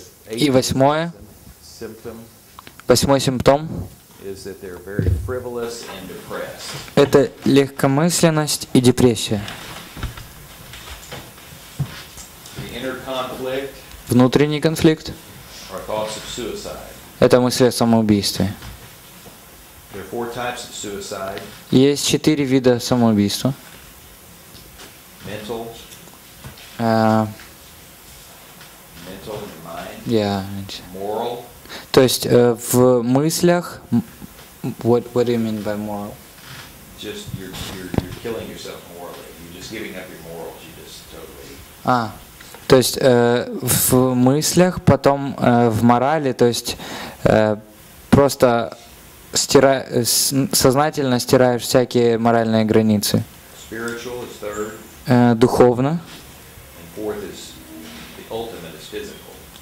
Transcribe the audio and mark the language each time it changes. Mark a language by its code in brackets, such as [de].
[ru] И восьмое, восьмой симптом. [en] Is that they're very frivolous and depressed. [ru] Это легкомысленность и депрессия. [en] The inner conflict. [ru] Внутренний конфликт. [en] Are thoughts of suicide. [ru] Это мысли о самоубийстве. [en] There are four types of suicide. [ru] Есть четыре вида самоубийства. [en] Mental. Mental in mind. Yeah. Moral. [ru] То есть в мыслях. [en] What do you mean by moral? Just you're killing yourself morally. You're just giving up your morals. You just totally. [ru] То есть в мыслях, потом в морали, то есть просто сознательно стираешь всякие моральные границы. [en] Spiritual is third. [ru] Духовно. [en] And fourth is the ultimate is physical.